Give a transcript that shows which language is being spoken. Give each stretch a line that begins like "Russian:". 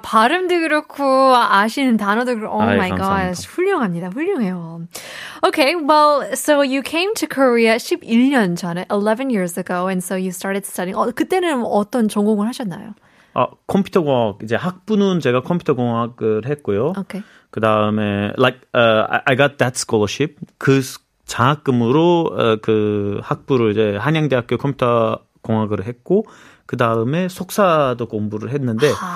Korean: 발음도 그렇고 아시는 단어도 그렇고.
English: Oh 아이, my
Korean: 감사합니다. gosh. 훌륭합니다. 훌륭해요.
English: Okay, well, so you came to Korea 11년 전에, 11 years ago, and so you started studying.
Korean: 그때는 어떤 전공을 하셨나요? 컴퓨터공학, 이제 학부는 제가 컴퓨터공학을 했고요.
English: Okay.
Korean: 그 다음에, I got that scholarship. 그 장학금으로 그 학부를 이제 한양대학교 컴퓨터공학을 했고, 그 다음에 속사도 공부를 했는데